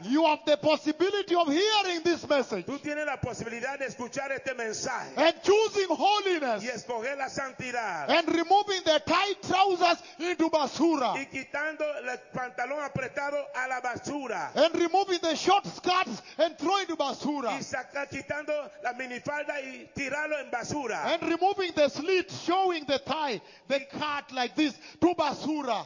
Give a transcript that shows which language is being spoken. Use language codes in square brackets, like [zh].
[en] You have the possibility of hearing this message. [es] Tú tienes la posibilidad de escuchar este mensaje. [en] And choosing holiness. [es] Y escoger la santidad. [en] And removing the tight trousers into [es] basura. Y quitando el pantalón apretado a la basura. [en] And removing the short skirts and throwing to [es] basura. Y quitando la minifalda y tirarlo en basura. [en] And removing the slit showing the thigh, the cut like this, to [es] basura.